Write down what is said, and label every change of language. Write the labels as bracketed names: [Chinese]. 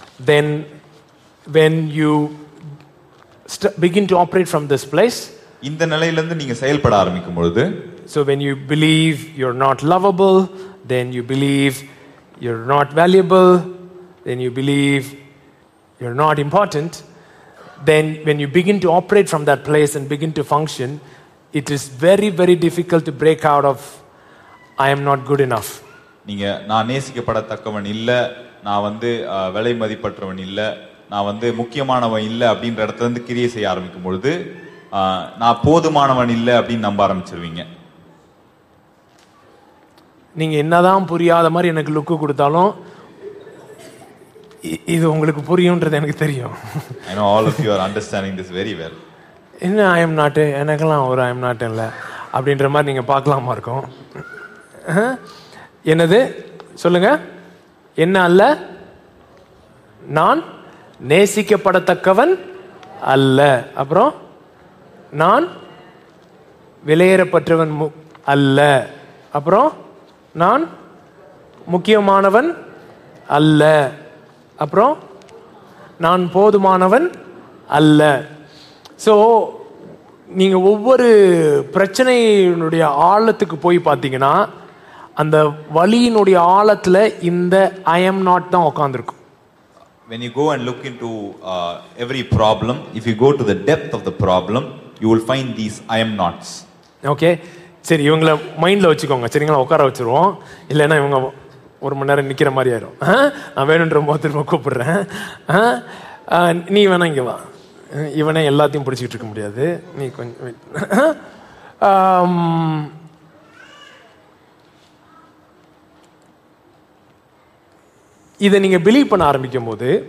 [English] Then when you begin to operate from this place, [Tamil] இந்த நிலையில இருந்து நீங்க செயல்பட ஆரம்பிக்கும் பொழுது, [English] so when you believe you're not lovable, then you believe you're not valuable, then you believe you're not important, then when you begin to operate from that place and begin to function, it is very very difficult to break out of I am not good enough. [Tamil] நீங்க நான் நேசிக்கப்படத்தக்கவன் இல்ல, நான் வந்து விலை மதிப்பற்றவன் இல்ல, நான் வந்து முக்கியமானவன் இல்ல அப்படின்ற இடத்துல இருந்து கிரியை செய்ய ஆரம்பிக்கும் பொழுது நான் போதுமானவன் இல்ல அப்படின்னு நம்ப ஆரம்பிச்சிருவீங்க. நீங்க என்னதான் புரியாத மாதிரி எனக்கு லுக்கு கொடுத்தாலும் இது உங்களுக்கு புரியும்ன்றது எனக்கு தெரியும். [English] I know all of you are understanding this very well. [Tamil] என்ன ஐ எம் நாட், எனக்கெல்லாம் ஒரு ஐ எம் நாட் இல்ல அப்படின்ற மாதிரி நீங்க பார்க்கலாமா இருக்கும். என்னது சொல்லுங்க, என்ன அல்ல? நான் நேசிக்கப்படத்தக்கவன் அல்ல. அப்புறம் நான் விலையேறப்பட்டவன் அல்ல. அப்புறம் நான் முக்கியமானவன் அல்ல. அப்புறம் நான் போதுமானவன் அல்ல. ஸோ நீங்க ஒவ்வொரு பிரச்சனையினுடைய ஆழத்துக்கு போய் பார்த்தீங்கன்னா அந்த வலியினுடைய ஆழத்துல இந்த ஐ எம் நாட் தான் உட்கார்ந்திருக்கும். [English] When you go and look into every problem, if you go to the depth of the problem, you will find these I am nots. [Tamil] Okay, சரி, இவங்கள மைண்ட்ல வச்சுக்கோங்க. சரிங்களா, உட்கார வச்சிருவோம். இல்லைன்னா இவங்க ஒரு மணி நேரம் நிக்கிற மாதிரி ஆயிரும். நான் வேணுன்ற போது திரும்ப கூப்பிடுறேன். நீ வேணா இங்க வா. இவனே எல்லாத்தையும் பிடிச்சிக்கிட்டு இருக்க முடியாது. நீ கொஞ்சம் இதை நீங்க பிலீவ் பண்ண ஆரம்பிக்கும் போது,